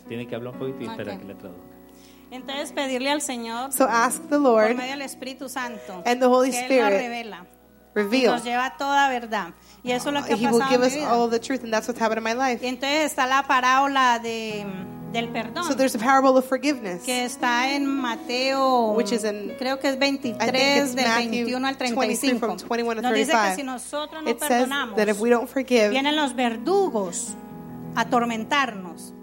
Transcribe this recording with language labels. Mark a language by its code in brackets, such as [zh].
[es] Tiene que hablar un poquito y espera okay. que le traduzca. Entonces pedirle al Señor [en] so ask the Lord [es] por medio del Espíritu Santo [en] and the Holy [es] que [en] Spirit [es] Él nos revela y nos lleva toda verdad y eso es lo que ha [en] he will give us all the truth and that's what's happened in my life. [es] Y entonces está la parábola de del perdón. [en] So there's a parable of forgiveness. [es] Que está en Mateo, [en] which is in, [es] creo que es 23 del 21 al 35. [en] From 21 to 35. [es] Nos dice que si nosotros no [en] it [es] perdonamos, [en] says that if we don't forgive, [es] vienen los verdugos a atormentarnos.